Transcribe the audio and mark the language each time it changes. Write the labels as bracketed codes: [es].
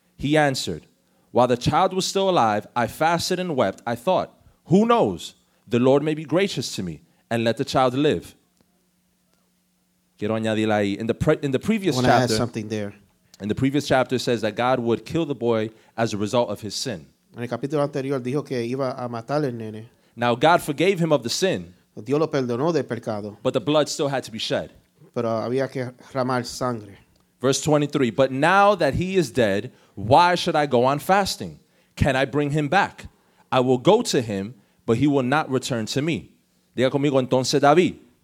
[en] He answered, while the child was still alive, I fasted and wept. I thought, who knows? The Lord may be gracious to me and let the child live. [es] Quiero añadir ahí. [en] In the previous chapter, it says that God would kill the boy as a result of his sin. [es] En el capítulo anterior dijo que iba a matar el nene. [en] Now, God forgave him of the sin. [es] Dios lo perdonó del pecado. [en] But the blood still had to be shed. [es] Pero había que derramar sangre. [en] Verse 23, but now that he is dead, why should I go on fasting? Can I bring him back? I will go to him, but he will not return to me. [es] Diga conmigo, entonces David.